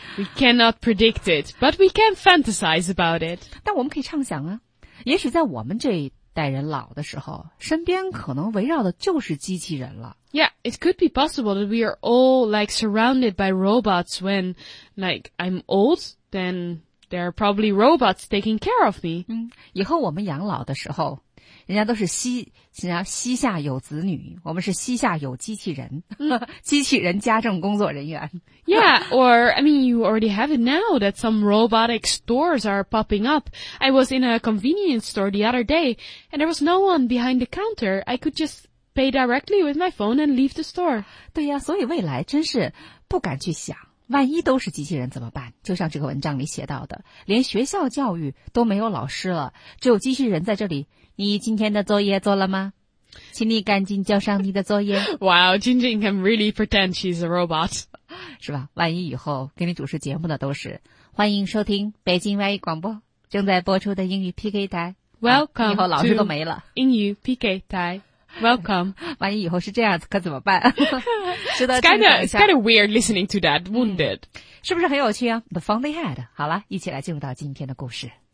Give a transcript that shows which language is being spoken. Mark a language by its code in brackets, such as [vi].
[en] We cannot predict it, but we can fantasize about it. [zh] 但我们可以畅想啊，也许在我们这一代人老的时候，身边可能围绕的就是机器人了。 [en] Yeah, it could be possible that we are all like surrounded by robots when like I'm old, then there are probably robots taking care of me. [zh] 以后我们养老的时候，人家都是膝下有子女，我们是膝下有机器人，机器人家政工作人员。 [en] Yeah, or, I mean, you already have it now that some robotic stores are popping up. I was in a convenience store the other day, and there was no one behind the counter. I could just pay directly with my phone and leave the store. [zh] 对呀，所以未来真是不敢去想，万一都是机器人怎么办？就像这个文章里写到的，连学校教育都没有老师了，只有机器人在这里。你今天的作业做了吗？请你赶紧交上你的作业。 [en] Wow, Jinjin can really pretend she's a robot. [zh] 是吧？万一以后给你主持节目的都是，欢迎收听北京外语广播，正在播出的英语 PK 台。 [en] Welcome. [zh] 以后老师都没了。英语 PK 台。 Welcome. 万一以后是这样子可怎么办？是的。 [en] It's kind of weird listening to that, wouldn't it? [zh] 是不是很有趣啊？ The fun they had. 好了，一起来进入到今天的故事。